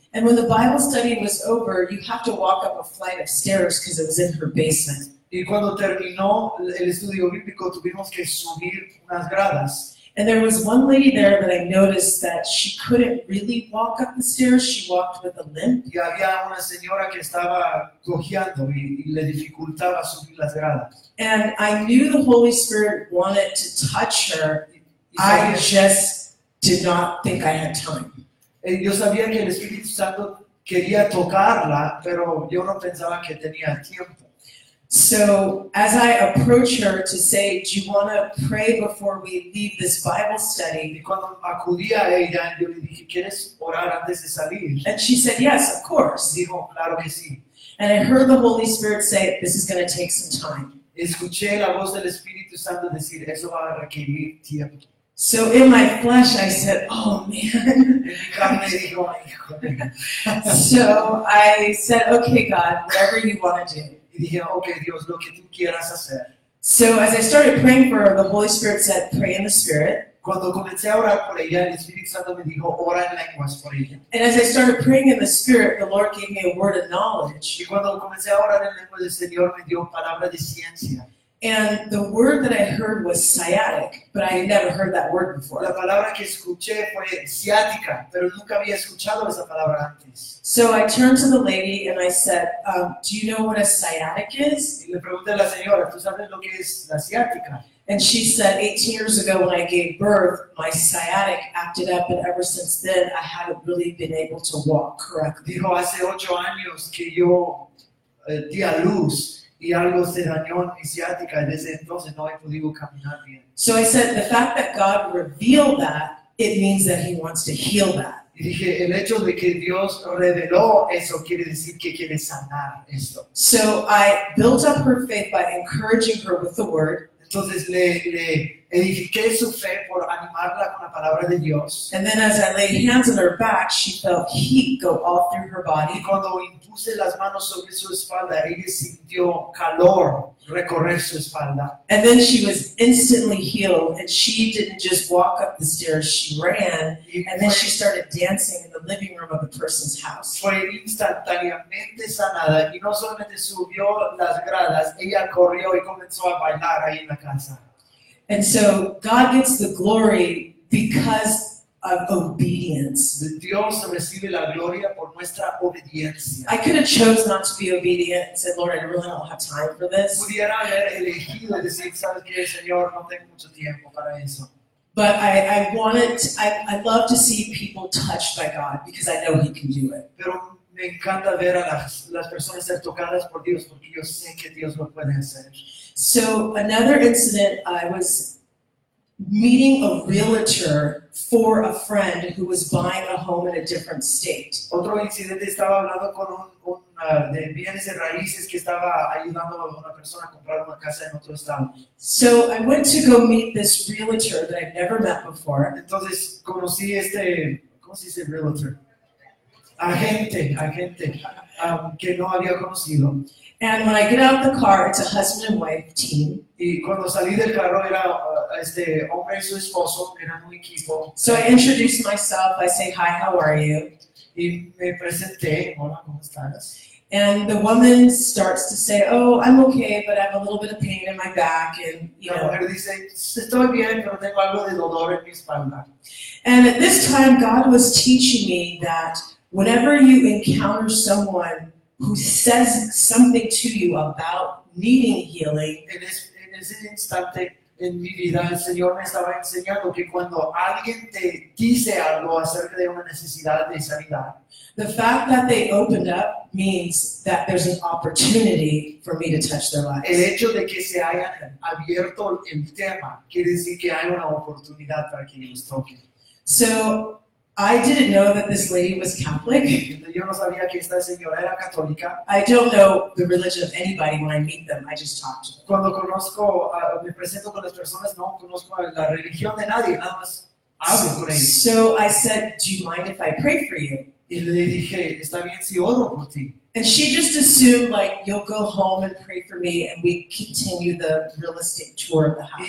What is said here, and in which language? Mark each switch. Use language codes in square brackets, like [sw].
[en] And when the Bible study was over, you have to walk up a flight of stairs because it was in her basement. [es] Y cuando terminó el estudio bíblico, tuvimos que subir unas gradas. [en] And there was one lady there that I noticed that she couldn't really walk up the stairs. She walked with a limp. [es] Y había una señora que estaba cojeando y le dificultaba subir las gradas. [en] And I knew the Holy Spirit wanted to touch her. I just did not think I had time. [es] Yo sabía que el Espíritu Santo quería tocarla, pero yo no pensaba que tenía tiempo. [en] So, as I approach her to say, do you want to pray before we leave this Bible study? [es] Y cuando acudí a ella, yo le dije, ¿quieres orar antes de salir? [en] And she said, yes, of course. [es] Dijo, claro que sí. [en] And I heard the Holy Spirit say, this is going to take some time. [es] Escuché la voz del Espíritu Santo decir, eso va a requerir tiempo. [en] So in my flesh, I said, oh, man. So I said, okay, God, whatever you want to do. [es] Y dije, okay, Dios, lo que tú quieras hacer. [en] So as I started praying for her, the Holy Spirit said, pray in the Spirit. [es] Cuando comencé a orar por ella, el Espíritu Santo me dijo, ora en lenguas por ella. [en] And as I started praying in the Spirit, the Lord gave me a word of knowledge. [es] Y cuando comencé a orar en lenguas, el Señor me dio palabra de ciencia. [en] And the word that I heard was sciatic, but I had never heard that word before. [es] La palabra que escuché fue sciática, pero nunca había escuchado esa palabra antes. [en] So I turned to the lady and I said, do you know what a sciatic is? [es] Y le pregunté a la señora, ¿tú sabes lo que es la sciática? [en] And she said, 18 years ago when I gave birth, my sciatic acted up, and ever since then I haven't really been able to walk correctly. [es] Dijo, hace 8 años que yo di a luz. Y algo se dañó en mi ciática, y desde entonces no he podido caminar bien. [en] So I said, the fact that God revealed that, it means that he wants to heal that. [es] Y dije, el hecho de que Dios reveló eso quiere decir que quiere sanar esto. [en] So I built up her faith by encouraging her with the word. [es] Entonces le edifiqué su fe por animarla con la palabra de Dios. [en] And then as I laid hands on her back, she felt heat go all through her body. [es] Y cuando puse las manos sobre su espalda, ella sintió calor recorrer su espalda. [en] And then she was instantly healed, and she didn't just walk up the stairs, she ran, and then she started dancing in the living room of the person's house. [es] Fue instantáneamente sanada, y no solamente subió las gradas, ella corrió y comenzó a bailar ahí en la casa. [en] And so God gets the glory because of obedience. [es] Dios recibe la gloria por nuestra obediencia. [en] I could have chose not to be obedient and said, Lord, I really don't have time for this. [es] Pudiera haber elegido decir, ¿sabes qué, Señor? No tengo mucho tiempo para eso. [en] But I love to see people touched by God because I know he can do it. [es] Pero me encanta ver a las personas ser tocadas por Dios porque yo sé que Dios lo puede hacer. [en] So another incident, I was meeting a realtor for a friend who was buying a home in a different state. [es] Otro incidente, estaba hablando con de bienes y raíces que estaba ayudando a una persona a comprar una casa en otro estado. [en] So I went to go meet this realtor that I've never met before. [es] Entonces conocí este, ¿cómo se dice realtor? Agente, que no había conocido. [en] And when I get out of the car, it's a husband and wife team. [es] Y cuando salí del carro era este hombre y su esposo, eran un equipo. [en] So I introduce myself, I say, hi, how are you? [es] Y me presenté, hola, ¿cómo estás? [en] And the woman starts to say, oh, I'm okay, but I have a little bit of pain in my back, and, you know. [es] La mujer dice, estoy bien, pero tengo algo de dolor en mi espalda. [en] And at this time, God was teaching me that whenever you encounter someone who says something to you about needing healing, [es] en ese instante en mi vida, el Señor me estaba enseñando que cuando alguien te dice algo acerca de una necesidad de sanidad, [en] the fact that they opened up means that there's an opportunity for me to touch their lives. [es] El hecho de que se hayan abierto el tema quiere decir que hay una oportunidad para que ellos toquen. [en] So, I didn't know that this lady was Catholic. [es] Yo no sabía que esta señora era católica. [en] I don't know the religion of anybody when I meet them. I just talk to them. [es] Cuando conozco, me presento con las personas, no conozco la religión de nadie. Nada más hablo con ellos. [en] So I said, do you mind if I pray for you? [es] Y le dije, está bien si oro por ti. [en] And she just assumed, like, you'll go home and pray for me, and we continue the real estate tour of the house.